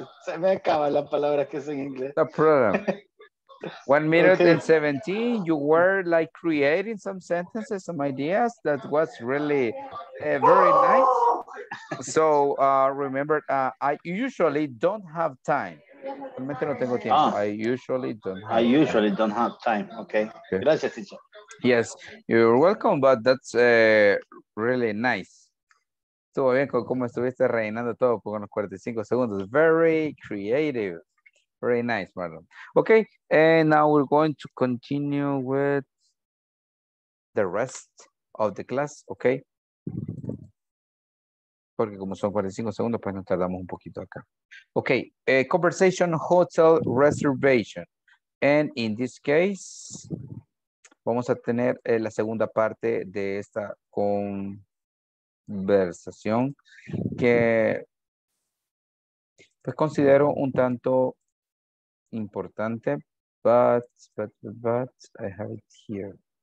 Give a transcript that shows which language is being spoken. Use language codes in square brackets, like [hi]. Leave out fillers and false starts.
[es] Se me acaban las palabras que son en inglés. [en] No problem. 1 minute okay. And 17. You were like creating some sentences, some ideas. That was really very nice. So remember, I usually don't have time. [es] Realmente no tengo tiempo. [en] I usually don't have time. [es] Okay. Okay. Gracias, teacher. [en] Yes, you're welcome, but that's really nice. [es] Estuvo bien con cómo estuviste rellenando todo con unos 45 segundos. [en] Very creative. Very nice, Marlon. Okay, and now we're going to continue with the rest of the class, okay? [es] Porque como son 45 segundos, pues nos tardamos un poquito acá. [en] Okay, a conversation hotel reservation. [es] And in this case, vamos a tener la segunda parte de esta conversación que pues considero un tanto importante, [en] but I have it here.